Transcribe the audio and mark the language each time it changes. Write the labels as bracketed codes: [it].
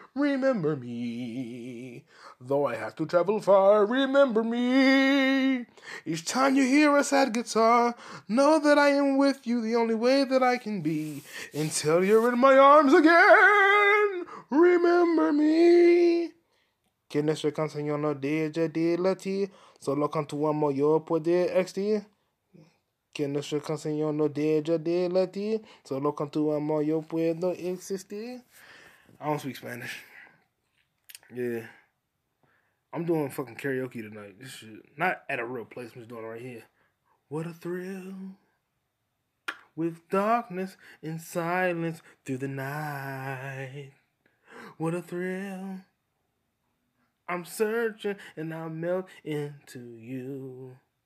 [en] Remember me. Though I have to travel far, remember me. Each time you hear a sad guitar, know that I am with you the only way that I can be. Until you're in my arms again, remember me. [es] Que nuestro canción no deja de latir, solo con tu amor yo puedo existir. Que nuestro canción no deja de latir, solo con tu amor yo puedo existir. [en] I don't speak Spanish. Yeah. I'm doing fucking karaoke tonight. This shit, not at a real place, I'm just doing it right here. What a thrill. With darkness and silence through the night. What a thrill. I'm searching and I melt into you.